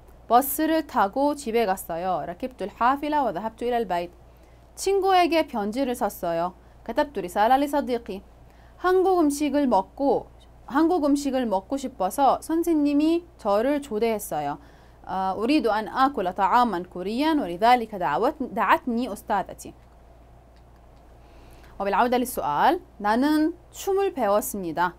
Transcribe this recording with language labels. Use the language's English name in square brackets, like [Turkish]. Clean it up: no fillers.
[Korean] 버스를 타고 집에 갔어요. [Arabic] ركبت الحافلة وذهبت إلى البيت. [Korean] 친구에게 편지를 썼어요. [Arabic] كتبت رسالة لصديقي. [Korean] 한국 음식을 먹고 싶어서 선생님이 저를 초대했어요. [Arabic] أريد أن آكل طعاما كوريا ولذلك دعتني أستاذتي. وبالعودة للسؤال [Korean] 나는 춤을 배웠습니다.